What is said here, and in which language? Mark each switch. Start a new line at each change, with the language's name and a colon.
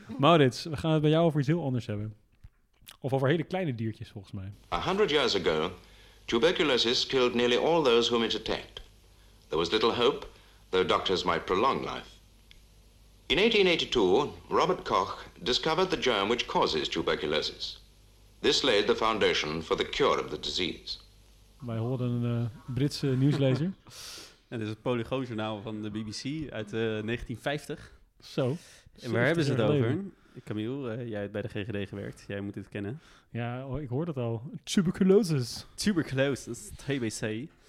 Dutch: Maurits, we gaan het bij jou over iets heel anders hebben. Of over hele kleine diertjes, volgens mij.
English: 100 years ago, tuberculosis killed nearly all those whom it attacked. There was little hope, though doctors might prolong life. In 1882, Robert Koch discovered the germ which causes tuberculosis. This laid the foundation for the cure of the disease.
Dutch: Wij hoorden een Britse nieuwslezer. En dit is het Polygoonjournaal van de BBC uit 1950. Zo. En waar hebben ze het over? Camille, jij hebt bij de GGD gewerkt. Jij moet dit kennen. Ja, ik hoor dat al. Tuberculosis. Tuberculosis, TBC.